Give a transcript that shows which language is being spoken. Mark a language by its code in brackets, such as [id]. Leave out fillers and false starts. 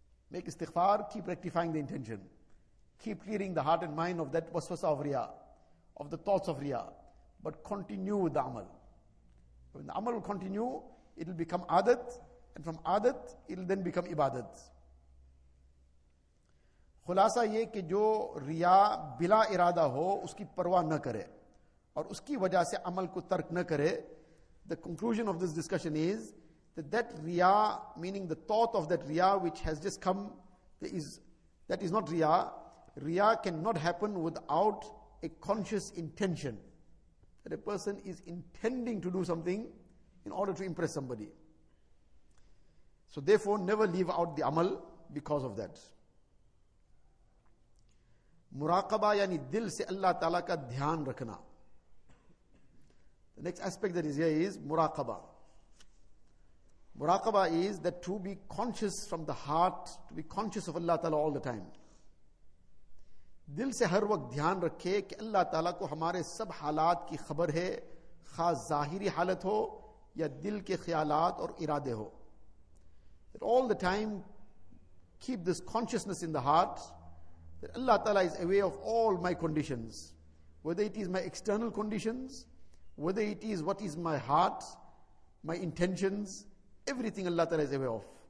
[en] Make istighfar, keep rectifying the intention. Keep clearing the heart and mind of that waswasa of riya, of the thoughts of riya, but continue with the amal. When the amal will continue, it will become adat, and from adat, it will then become ibadat. [ur] خلاصہ یہ کہ جو ریا بلا ارادہ ہو اس کی پرواہ نہ کرے اور اس کی وجہ سے عمل کو ترک نہ کرے. [en] The conclusion of this discussion is that that ریا, meaning the thought of that ریا which has just come, that is not ریا. ریا cannot happen without a conscious intention, that a person is intending to do something in order to impress somebody. So therefore never leave out the عمل because of that. [ur] مراقبہ یعنی دل سے اللہ تعالیٰ کا دھیان رکھنا. [en] The next aspect that is here is مراقبہ. مراقبہ is that to be conscious from the heart, to be conscious of Allah تعالیٰ all the time. [ur] دل سے ہر وقت دھیان رکھے کہ اللہ تعالیٰ کو ہمارے سب حالات کی خبر ہے, خاص ظاہری حالت ہو یا دل کے خیالات اور ارادے ہو. [en] That all the time keep this consciousness in the heart, that Allah Ta'ala is aware of all my conditions, whether it is my external conditions, whether it is what is my heart, my intentions, everything Allah Ta'ala is aware of.